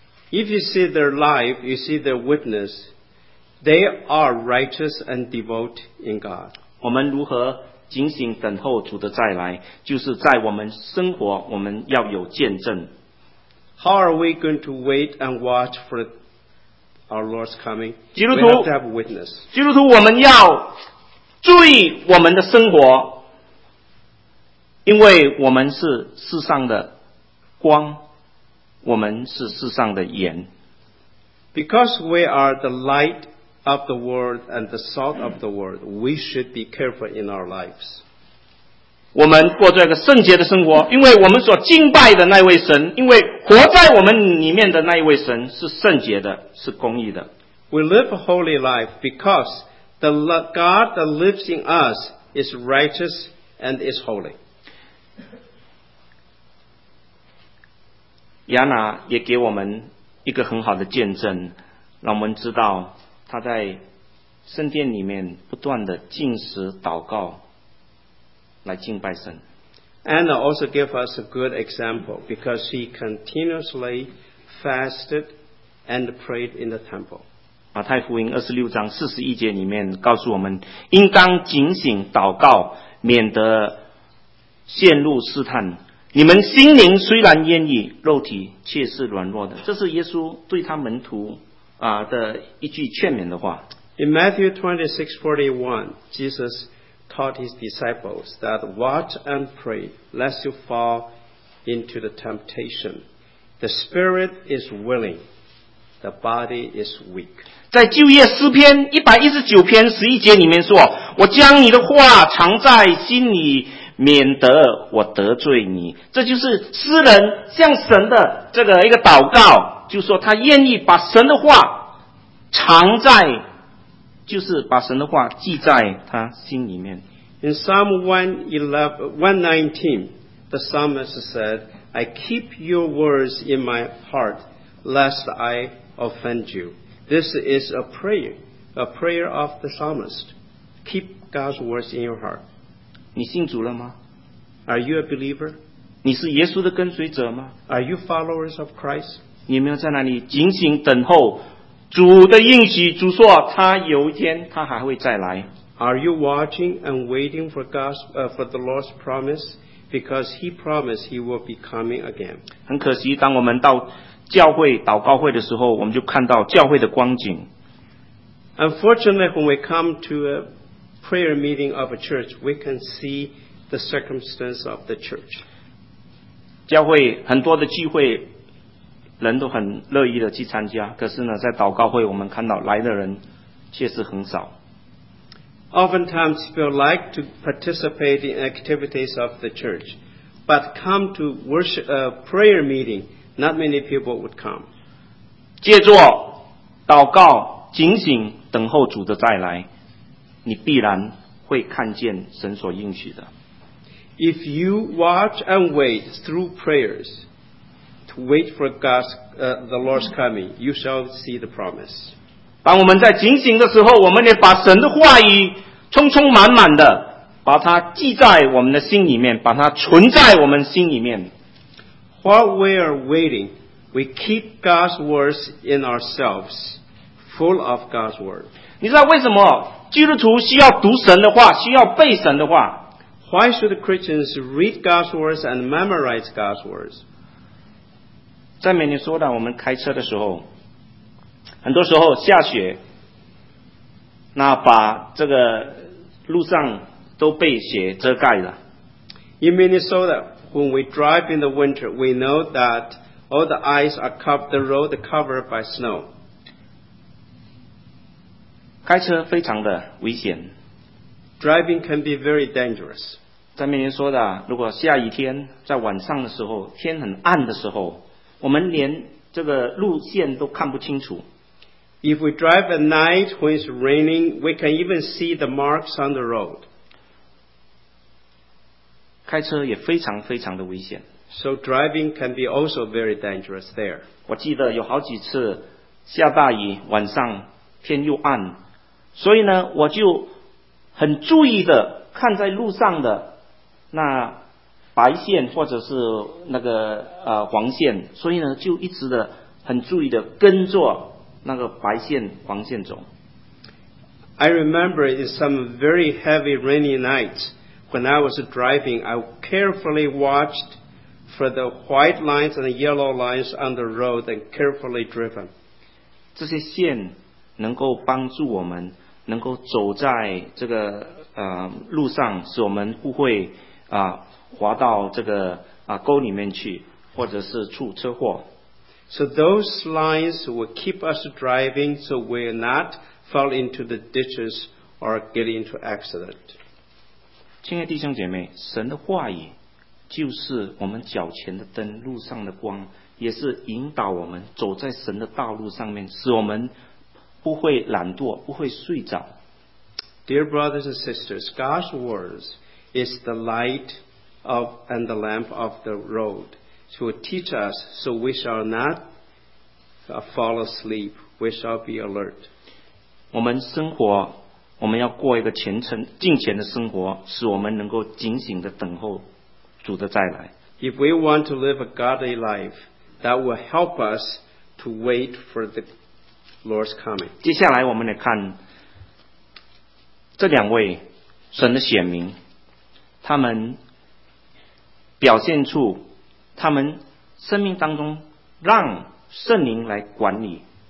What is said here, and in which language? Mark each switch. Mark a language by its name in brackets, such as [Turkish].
[English] If you see their life, you see their witness, they are righteous and devout in God. [Chinese] 我们如何警醒等候主的再来，就是在我们生活，我们要有见证。 [English] How are we going to wait and watch for the Our Lord's coming. [Chinese] 基督徒 [English] we have to have a witness. [Chinese] 基督徒我们要注意我们的生活，因为我们是世上的光，我们是世上的盐。 [English] Because we are the light of the world and the salt of the world, we should be careful in our lives. [Chinese] 我们过着一个圣洁的生活，因为我们所敬拜的那位神，因为活在我们里面的那一位神是圣洁的，是公义的。 [English] We live a holy life because the God that lives in us is righteous and is holy. [Chinese] 亚拿也给我们一个很好的见证，让我们知道他在圣殿里面不断的进食祷告来敬拜神。 [English] Anna also gave us a good example because she continuously fasted and prayed in the temple. [Chinese] 马太福音二十六章四十一节里面告诉我们，应当警醒祷告，免得陷入试探。你们心灵虽然愿意，肉体却是软弱的。这是耶稣对他门徒的一句劝勉的话。 [English] In Matthew 26:41, Jesus. Taught his disciples that watch and pray lest you fall into the temptation. The spirit is willing, the body is weak. [Chinese] 在旧约诗篇119篇11节里面说，我将你的话藏在心里，免得我得罪你。这就是诗人向神的这个一个祷告，就是说他愿意把神的话藏在，就是把神的话记在他心里面。 [English] In Psalm 119, the psalmist said, I keep your words in my heart, lest I offend you. This is a prayer of the psalmist. Keep God's words in your heart. [Chinese] 你信主了吗？ [English] Are you a believer? [Chinese] 你是耶稣的跟随者吗？ [English] Are you followers of Christ? [Chinese] 你有没有在那里警醒等候主的应许，主说他有一天他还会再来。 [English] Are you watching and waiting for God's, for the Lord's promise? Because He promised He will be coming again. [Chinese] 很可惜，当我们到教会祷告会的时候，我们就看到教会的光景。 [English] Unfortunately, when we come to a prayer meeting of a church, we can see the circumstance of the church. [Chinese] 教会很多的聚会人都很乐意的去参加，可是呢，在祷告会我们看到来的人却是很少。 [English] Oftentimes people like to participate in activities of the church, but come to worship prayer meeting, not many people would come. [Chinese] 借坐、祷告、警醒、等候主的再来，你必然会看见神所应许的。 [English] If you watch and wait through prayers to wait for God's the Lord's coming, you shall see the promise. [Chinese] 当我们在警醒的时候，我们也把神的话语充充满满的把它记在我们的心里面，把它存在我们心里面。 [English] While we are waiting, we keep God's words in ourselves, full of God's word. [Chinese] 你知道为什么基督徒需要读神的话，需要背神的话？ [English] Why should Christians read God's words and memorize God's words? [Chinese] 在每年说到我们开车的时候，很多时候下雪，那把这个路上都被雪遮盖了。 [English] In Minnesota, when we drive in the winter, we know that all the ice are covered, the road is covered by snow. [Chinese] 开车非常的危险。 [English] Driving can be very dangerous. [Chinese] 在面前说的，如果下雨天，在晚上的时候，天很暗的时候，我们连这个路线都看不清楚。 [English] If we drive at night when it's raining, we can even see the marks on the road. [Chinese] 开车也非常非常的危险。 [English] So driving can be also very dangerous there. [Chinese] 我记得有好几次下大雨，晚上天又暗，所以呢，我就很注意的看在路上的那白线或者是那个黄线，所以呢就一直的很注意的跟着那个白线黄线走。 [English] I remember in some very heavy rainy nights when I was driving, I carefully watched for the white lines and the yellow lines on the road and carefully driven. [Chinese] 这些线能够帮助我们能够走在这个路上，使我们不会滑到这个沟里面去，或者是出车祸。 [English] So those lines will keep us driving, so we will not fall into the ditches or get into accident. [Chinese] 亲爱弟兄姐妹，神的话语就是我们脚前的灯，路上的光，也是引导我们走在神的道路上面，使我们不会懒惰，不会睡着。 [English] Dear brothers and sisters, God's words is the light of and the lamp of the road. It will teach us so we shall not fall asleep, we shall be alert. [Chinese] 我们生活，我们要过一个虔诚、敬虔的生活，使我们能够警醒的等候主的再来。 [English] If we want to live a godly life, that will help us to wait for the Lord's coming. [Chinese] 接下来我们来看这两位神的显明，他们表现出他们生命当中让圣灵来管理。